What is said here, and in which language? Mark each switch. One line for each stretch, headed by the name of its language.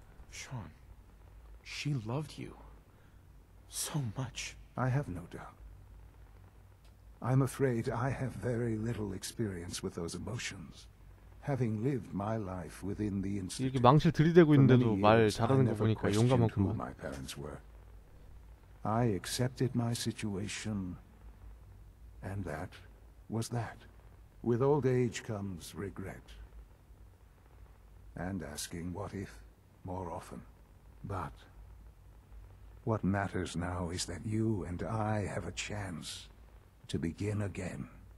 English: Sean, she loved you so much. I have no doubt. I'm afraid I have very little experience with those emotions. Having lived my life within the institute,
Korean: 이렇게 망치를 들이대고 있는데도 말 잘하는 거 보니까 용감한구만.
English: My parents were. I accepted my situation, and that was that. With old age comes regret, and asking what if more often. But what matters now is that you and I have a chance to begin again.